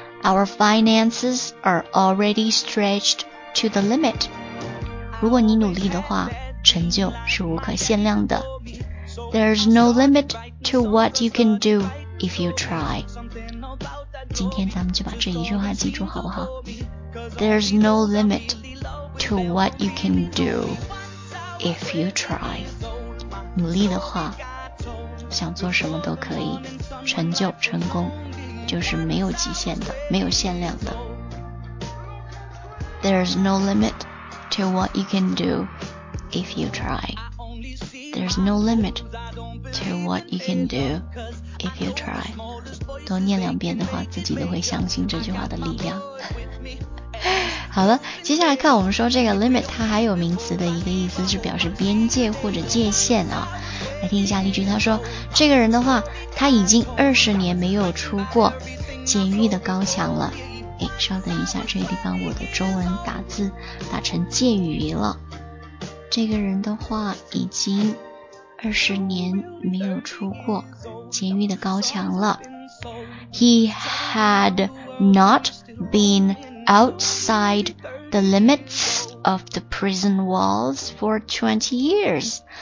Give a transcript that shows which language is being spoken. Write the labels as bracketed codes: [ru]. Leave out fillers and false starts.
[en] Our finances are already stretched to the limit. [zh] 如果你努力的话，成就是无可限量的。 [en] There's no limit to what you can do if you try. [zh] 今天咱们就把这一句话记住好不好？ [en] There's no limit to what you can do if you try. [zh] 努力的话，想做什么都可以，成就成功。就是没有极限的，没有限量的。 [en] There's no limit to what you can do if you try. There's no limit to what you can do if you try. [zh] 多念两遍的话，自己都会相信这句话的力量。好了，接下来看我们说这个 limit， 它还有名词的一个意思是表示边界或者界限啊。来听一下例句，他说这个人的话他已经20年没有出过监狱的高墙了。诶，稍等一下，这个地方我的中文打字打成介语了。这个人的话已经20年没有出过监狱的高墙了。 [en] He had not been outside the limitsof the prison walls for 20 years.